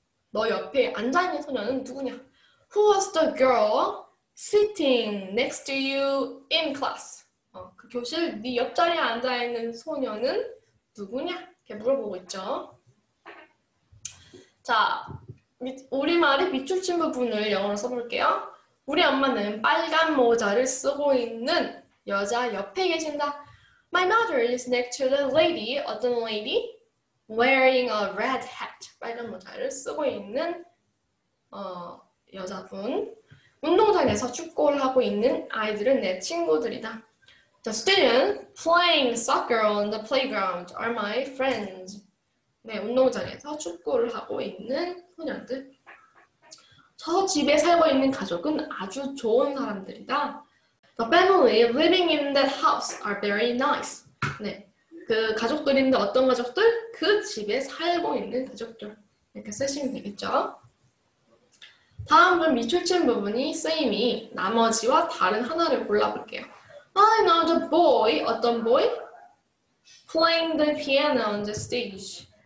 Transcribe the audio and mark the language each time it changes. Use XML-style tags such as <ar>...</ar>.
<ko>너 옆에 앉아있는 소녀는 누구냐?</ko> <en>Who was the girl sitting next to you in class?</en> <ko>그 교실 네 옆자리에 앉아있는 소녀는 누구냐? 이렇게 물어보고 있죠. 자, 우리말의 비추친 부분을 영어로 써볼게요. 우리 엄마는 빨간 모자를 쓰고 있는 여자 옆에 계신다.</ko> <en>My mother is next to the lady,</en> <ko>어떤</ko> <en>lady? Wearing a red hat,</en> <ko>빨간 모자를 쓰고 있는 여자분. 운동장에서 축구를 하고 있는 아이들은 내 친구들이다.</ko> <en>The students playing soccer on the playground are my friends.</en> <ko>네, 운동장에서 축구를 하고 있는 소년들. 저 집에 살고 있는 가족은 아주 좋은 사람들이다.</ko> <en>The family living in that house are very nice.</en> <ko>네, 그 가족들인데 어떤 가족들? 그 집에 살고 있는 가족들. 이렇게 쓰시면 되겠죠. 다음은 미출친 부분이 쓰임이 나머지와 다른 하나를 골라볼게요.</ko> <en>I know the boy,</en> <ko>어떤</ko> <en>boy? Playing the piano on the stage.</en>